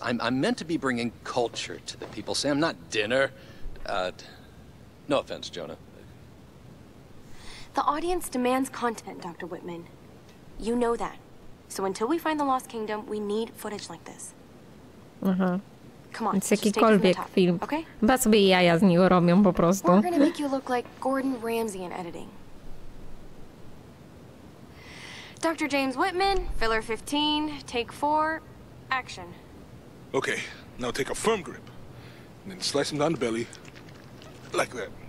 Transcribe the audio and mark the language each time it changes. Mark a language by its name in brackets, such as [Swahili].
[English] I'm meant to be bringing culture to the people, Sam. Not dinner. No offense, Jonah. The audience demands content, Dr. Whitman. You know that. So until we find the Lost Kingdom, we need footage like this. Aha. Come on, [Polish] więc jakikolwiek film. Chyba sobie jaja z niego robią po prostu. [English] We're gonna make you look like Gordon Ramsay in editing. Dr. James Whitman, filler 15, take 4, action. Okay, now take a firm grip. And then slice him down the belly. Like that.